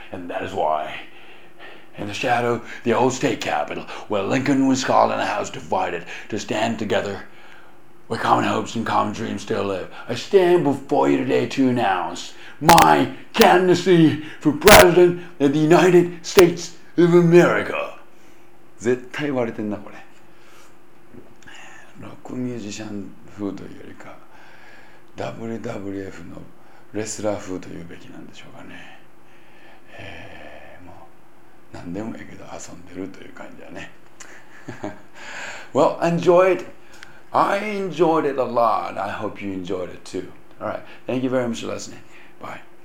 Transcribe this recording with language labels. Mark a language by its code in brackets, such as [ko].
[en] And that is why, in the shadow of the old state capitol, where Lincoln was called and the House divided to stand together, where common hopes and common dreams still live, I stand before you today to announce my candidacy for President of the United States of America. [ja] 絶対割れてんな、これ。ロックミュージシャン風というよりか、WWF のレスラー風というべきなんでしょうかね。もう、何でもいいけど遊んでるという感じだね。 [en] Well, enjoyed. I enjoyed it a lot. I hope you enjoyed it too. All right. Thank you very much for listening. Bye.